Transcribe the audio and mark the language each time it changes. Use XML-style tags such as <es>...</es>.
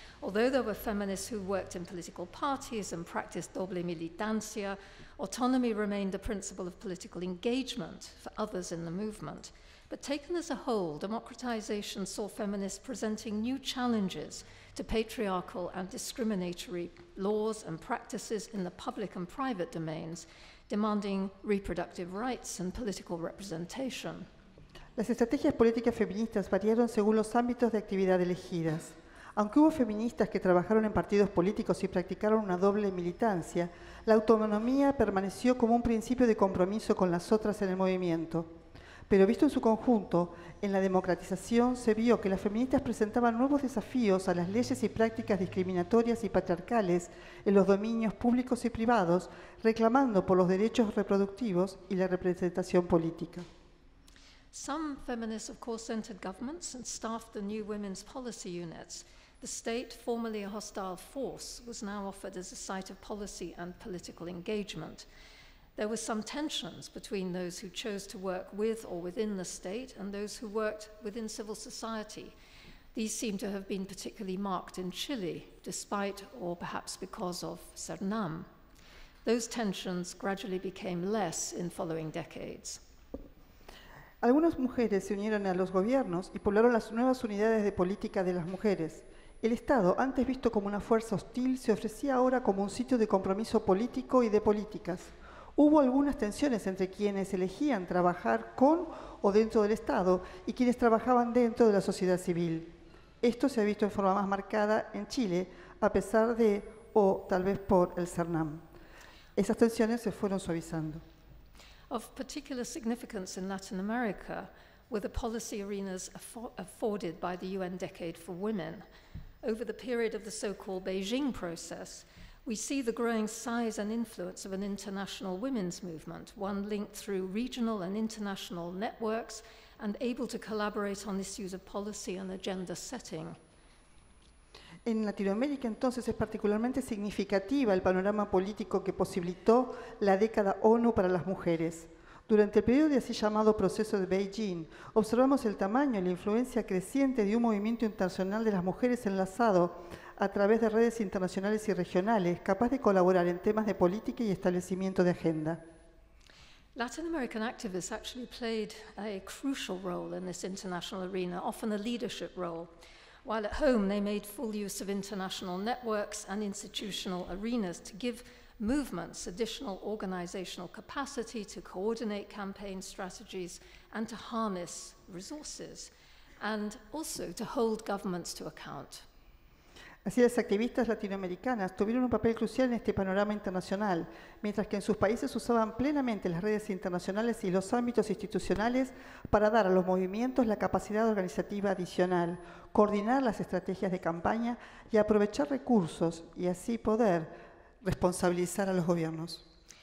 <en>Although there were feminists who worked in political parties and practiced doble militancia, autonomy remained a principle of political engagement for others in the movement. But taken as a whole, democratization saw feminists presenting new challenges to patriarchal and discriminatory laws and practices in the public and private domains, demanding reproductive rights and political representation.</en> <es>Las estrategias políticas feministas variaron según los ámbitos de actividad elegidas. Aunque hubo feministas que trabajaron en partidos políticos y practicaron una doble militancia, la autonomía permaneció como un principio de compromiso con las otras en el movimiento. Pero visto en su conjunto, en la democratización se vio que las feministas presentaban nuevos desafíos a las leyes y prácticas discriminatorias y patriarcales en los dominios públicos y privados, reclamando por los derechos reproductivos y la representación política.</es> <en>Some feminists, of course, entered governments and staffed the new women's policy units. The state, formerly a hostile force, was now offered as a site of policy and political engagement. There were some tensions between those who chose to work with or within the state and those who worked within civil society. These seem to have been particularly marked in Chile, despite or perhaps because of Cernam. Those tensions gradually became less in following decades.</en> <es>Algunas mujeres se unieron a los gobiernos y poblaron las nuevas unidades de política de las mujeres. El Estado, antes visto como una fuerza hostil, se ofrecía ahora como un sitio de compromiso político y de políticas. Hubo algunas tensiones entre quienes elegían trabajar con o dentro del Estado y quienes trabajaban dentro de la sociedad civil. Esto se ha visto en forma más marcada en Chile, a pesar de, o tal vez por, el Cernam. Esas tensiones se fueron suavizando.</es> <en>Of particular significance in Latin America were the policy arenas afforded by the UN Decade for Women. Over the period of the so-called Beijing process, we see the growing size and influence of an international women's movement, one linked through regional and international networks and able to collaborate on issues of policy and agenda setting.</en> <es>En Latinoamérica, entonces, es particularmente significativa el panorama político que posibilitó la década ONU para las mujeres. Durante el periodo de así llamado proceso de Beijing, observamos el tamaño y la influencia creciente de un movimiento internacional de las mujeres enlazado a través de redes internacionales y regionales, capaz de colaborar en temas de política y establecimiento de agenda.</es> <en>Latin American activists actually played a crucial role in this international arena, often a leadership role. While at home, they made full use of international networks and institutional arenas to give movements additional organizational capacity to coordinate campaign strategies and to harness resources, and also to hold governments to account.</en> <es>Así, las activistas latinoamericanas tuvieron un papel crucial en este panorama internacional, mientras que en sus países usaban plenamente las redes internacionales y los ámbitos institucionales para dar a los movimientos la capacidad organizativa adicional, coordinar las estrategias de campaña y aprovechar recursos y así poder responsabilizar a los gobiernos.</es>